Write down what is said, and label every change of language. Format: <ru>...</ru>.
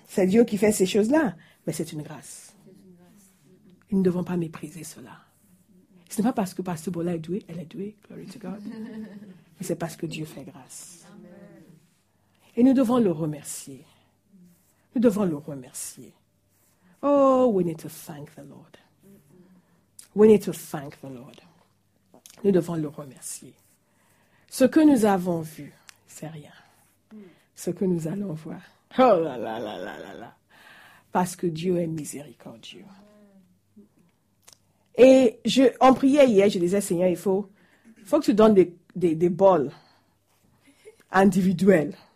<fr>C'est Dieu qui fait ces choses-là. Mais c'est une grâce. Nous ne devons pas mépriser cela. Ce n'est pas parce que Pasteur Bola est douée, elle est douée,</fr> <en>glory to God.</en> <fr>Mais c'est parce que Dieu fait grâce. Et nous devons le remercier. Nous devons le remercier.</fr> <en>Oh, we need to thank the Lord. We need to thank the Lord.</en> <fr>Nous devons le remercier. Ce que nous avons vu, c'est rien. Ce que nous allons voir, oh là là là là là là. Parce que Dieu est miséricordieux. Et en priant hier, je disais, Seigneur, il faut que tu donnes des bols individuels.</fr>